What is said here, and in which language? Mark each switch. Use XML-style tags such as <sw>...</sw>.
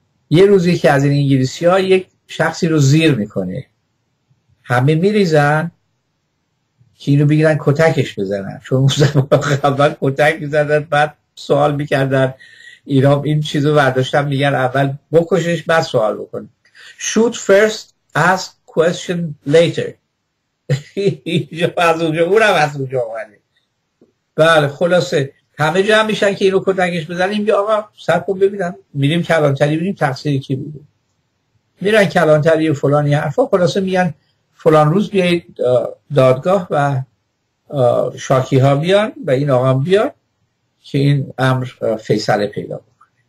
<fa>یه روزی که از این انگلیسی ها یک شخصی رو زیر میکنه، همه میریزن که اینو بگیرن کتکش بزنن، چون اون زمان کتک میزنن، بعد سوال میکردن اینا این چیزو برداشتن، میگن اول بکشش بعد سوال بکن.</fa> <en>Shoot first, ask question later.</en> <fa>از اونجا اونم از اونجا اومده. بله خلاصه همه جمع میشن که اینو کتکش بزنیم. یا آقا سر کن ببینم، میریم کلانتری ببینیم تقصیر کی بوده. میرن کلانتری و فلانی حرفا، خلاصه میگن فلان روز بیایید دادگاه و شاکی ها بیان و این آقا هم بیان که این امر فیصله پیدا بکنه.</fa>